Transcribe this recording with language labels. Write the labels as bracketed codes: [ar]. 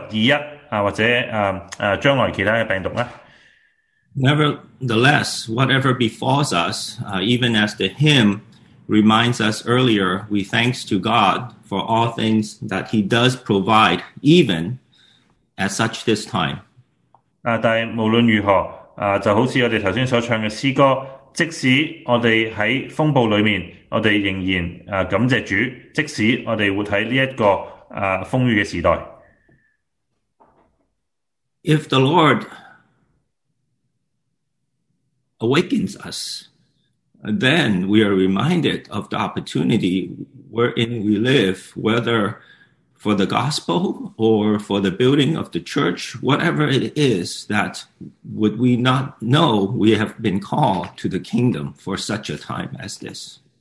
[zh] 大家都晓得这个COVID-19的意思，就是这个病毒是开始2019年开始的。大家要思想一下，如果主是迟延的话，我们会不会有另一种病毒是COVID-21，或者将来其他的病毒呢？ [en] Nevertheless, whatever befalls us, even as the hymn reminds us earlier, we thanks to God for all things that he does provide, even at such this time. [zh] 但无论如何，就好像我们刚才所唱的诗歌，即使我们在风暴里面，我们仍然感谢主，即使我们活在这个风雨的时代。 [en] If the Lord awakens us, then we are reminded of the opportunity wherein we live, whether for the gospel or for the building of the church, whatever it is, that would we not know we have been called to the kingdom for such a time as this.